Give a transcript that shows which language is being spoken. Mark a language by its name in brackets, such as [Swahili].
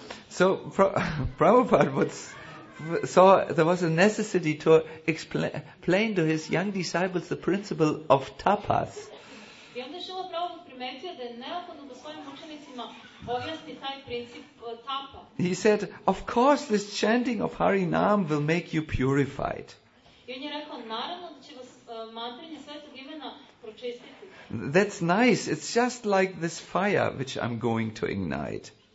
[English] So Prabhupada saw there was a necessity to explain to his young disciples the principle of tapas. [Serbian] I onda je Šila Prabhupada primetio da je neophodno da svojim učenicima objasni taj princip tapa. [English] He said, of course this chanting of Harinam will make you purified. [Serbian] I on je rekao, naravno da će vas mantrenje svetog imena pročistiti. [English] That's nice, it's just like this fire which I'm going to ignite.